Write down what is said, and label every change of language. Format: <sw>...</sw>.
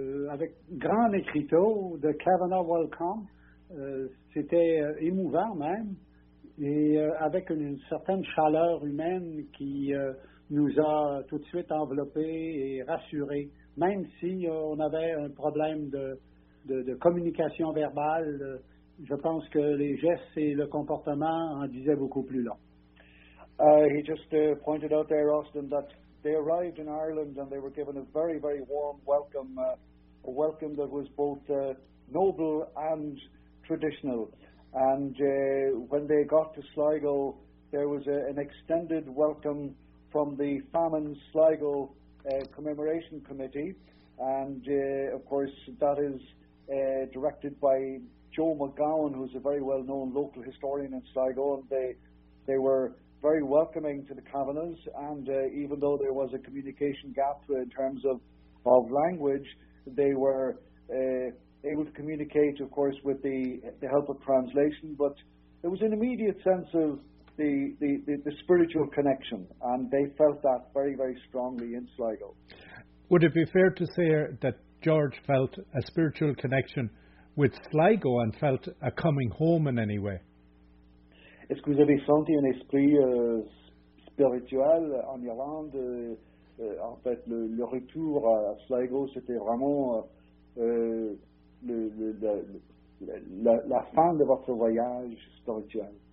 <fr>Avec grand écriteau de Kavanagh Welcome, c'était émouvant même, et avec une certaine chaleur humaine qui nous a tout de suite enveloppés et rassurés, même si on avait un problème de communication verbale, je pense que les gestes et le comportement en disaient beaucoup plus long.</fr> <en>He just pointed out there, Austin, that they arrived in Ireland and they were given a very, very warm welcome, a welcome that was both noble and traditional. And when they got to Sligo, there was an extended welcome from the Famine Sligo Commemoration Committee. And, of course, that is directed by Joe McGowan, who's a very well-known local historian in Sligo. And they were very welcoming to the Kavanaghs, and even though there was a communication gap in terms of language, they were able to communicate, of course, with the help of translation, but there was an immediate sense of the spiritual connection, and they felt that very, very strongly in Sligo. Would it be fair to say that George felt a spiritual connection with Sligo and felt a coming home in any way?</en> <fr>Est-ce que vous avez senti un esprit spirituel en Irlande? En fait, le retour à Sligo, c'était vraiment la fin de votre voyage spirituel.</fr>